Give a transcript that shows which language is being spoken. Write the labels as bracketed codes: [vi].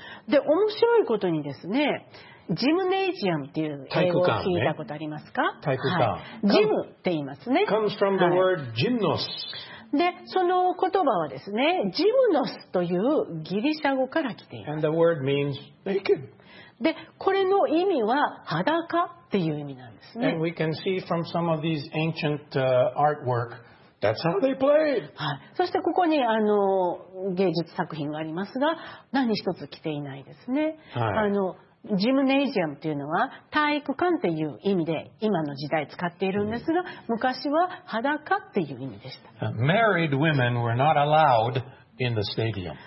[ja] で、面白いことにですね、ジムネジアムっていう英語を聞いたことありますか？体育館、ね、はい。ジムって言いますね。 [en] Comes from the word gymnos. [ja] で、その言葉はですね、ジムノスというギリシャ語から来ています。 [en] And the word means naked. [ja] で、これの意味は裸っていう意味なんですね。 [en] And we can see from some of these ancient artwork, that's how they played. [ja] はい。そしてここに芸術作品がありますが、何一つ着ていないですね。はい。ジムネジアムというのは体育館っていう意味で今の時代使っているんですが、昔は裸っていう意味でした。 [en] Married women were not allowed. In the stadium.